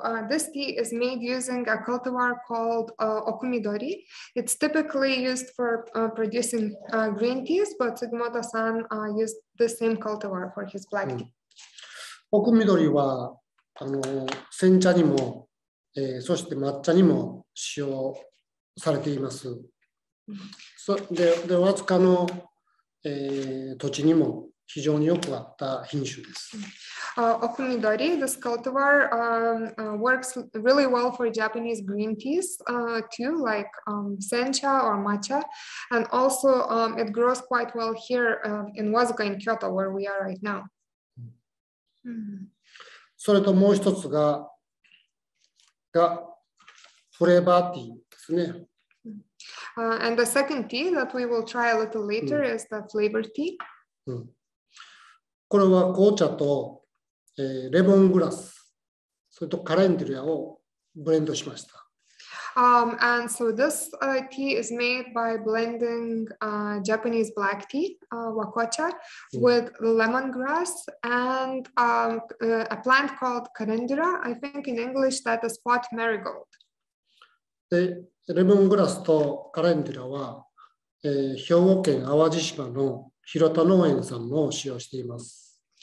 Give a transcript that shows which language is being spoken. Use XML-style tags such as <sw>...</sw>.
<en>This tea is made using a cultivar called 奥緑. It's typically used for producing green teas, but Sugimoto-san used the same cultivar for his black tea.</en> <ja>奥緑は煎茶にも、そして抹茶にも使用されています。で、わずかの土地にも非常によくあった品種です。</ja> <en>奥みどり、this cultivar works really well for Japanese green teas too, like sencha or matcha, and also it grows quite well here in Wazuka in Kyoto, where we are right now.</en> <ja>それともう一つがフレーバーティーですね。</ja> <en>And the second tea that we will try a little later is the flavor tea.</en> <ja>これは紅茶と、レモングラス、それとカレンデュラをブレンドしました。</ja> <en>And so this tea is made by blending Japanese black tea, wakocha, with lemongrass and a plant called calendula. I think in English that is pot marigold.</en> <ja>で、レモングラスとカレンデュラは、兵庫県淡路島の広田農園さんも使用しています。</ja>